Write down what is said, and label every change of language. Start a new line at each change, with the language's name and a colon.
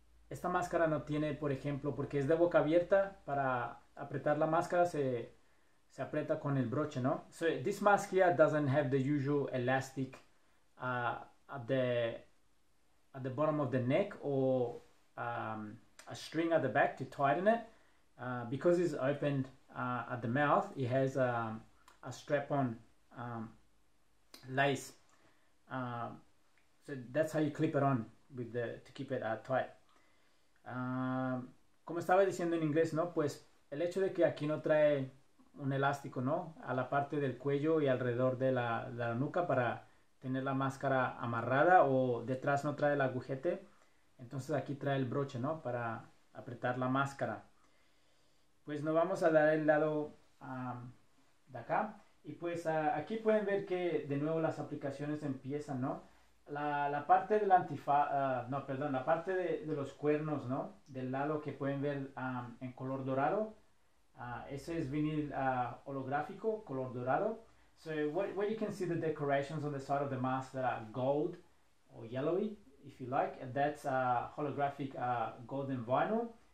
Spanish: Esta máscara no tiene, por ejemplo, porque es de boca abierta. Para apretar la máscara se aprieta con el broche, ¿no?
English: So this mask here doesn't have the usual elastic at the bottom of the neck or a string at the back to tighten it. Because it's opened at the mouth, it has a strap-on lace. So that's how you clip it on with the to keep it tight.
Spanish: Como estaba diciendo en inglés, ¿no? Pues el hecho de que aquí no trae un elástico, ¿no? A la parte del cuello y alrededor de la nuca para tener la máscara amarrada o detrás no trae el agujete. Entonces aquí trae el broche, ¿no? Para apretar la máscara. Pues nos vamos a dar el lado de acá. Y pues aquí pueden ver que de nuevo las aplicaciones empiezan, ¿no? La parte del antifaz, no, perdón, la parte de los cuernos, ¿no? Del lado que pueden ver en color dorado. Ese es vinil holográfico, color dorado.
English: So what you can see the decorations on the side of the mask that are gold or yellowy. If you like, that's a holographic golden vinyl.